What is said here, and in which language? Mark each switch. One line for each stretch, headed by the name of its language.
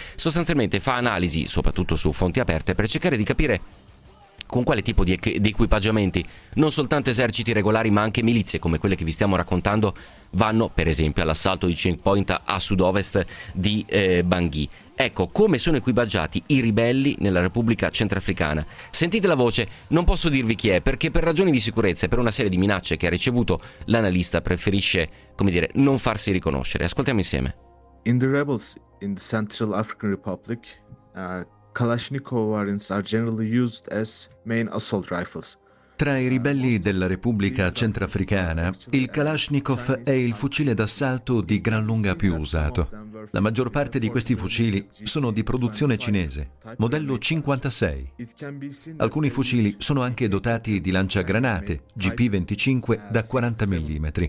Italian: Sostanzialmente fa analisi, soprattutto su fonti aperte, per cercare di capire con quale tipo di equipaggiamenti non soltanto eserciti regolari, ma anche milizie come quelle che vi stiamo raccontando vanno, per esempio, all'assalto di checkpoint a sud-ovest di Bangui. Ecco, come sono equipaggiati i ribelli nella Repubblica Centrafricana? Sentite la voce, non posso dirvi chi è, perché per ragioni di sicurezza e per una serie di minacce che ha ricevuto, l'analista preferisce, come dire, non farsi riconoscere. Ascoltiamo insieme.
English: In the rebels in the Central African Republic, Kalashnikov variants are generally used as main assault rifles.
Italian: Tra i ribelli della Repubblica Centrafricana, il Kalashnikov è il fucile d'assalto di gran lunga più usato. La maggior parte di questi fucili sono di produzione cinese, modello 56. Alcuni fucili sono anche dotati di lanciagranate, GP25 da 40 mm.